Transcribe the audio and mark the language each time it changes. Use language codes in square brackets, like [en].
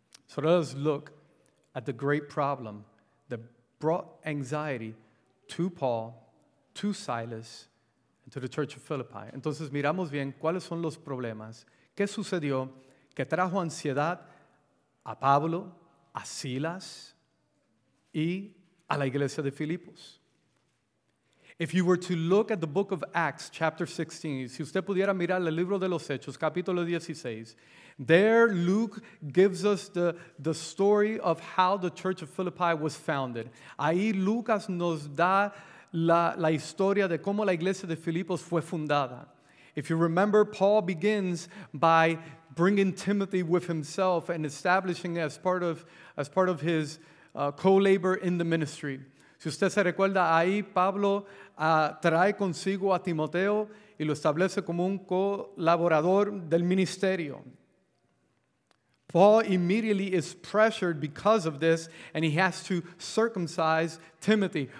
[en] So let us look at the great problem that brought anxiety to Paul, to Silas, and to the church of Philippi. [es] Entonces miramos bien cuáles son los problemas. ¿Qué sucedió que trajo ansiedad a Pablo, a Silas y a la iglesia de Filipos? [en] If you were to look at the book of Acts, chapter 16, [es] si usted pudiera mirar el libro de los Hechos, capítulo 16, [en] there Luke gives us the story of how the church of Philippi was founded. [es] Ahí Lucas nos da la historia de cómo la iglesia de Filipos fue fundada. [en] If you remember, Paul begins by bringing Timothy with himself and establishing it as part of his co-labor in the ministry. [es] Si usted se recuerda, ahí Pablo trae consigo a Timoteo y lo establece como un colaborador del ministerio. [en] Paul immediately is pressured because of this, and he has to circumcise Timothy.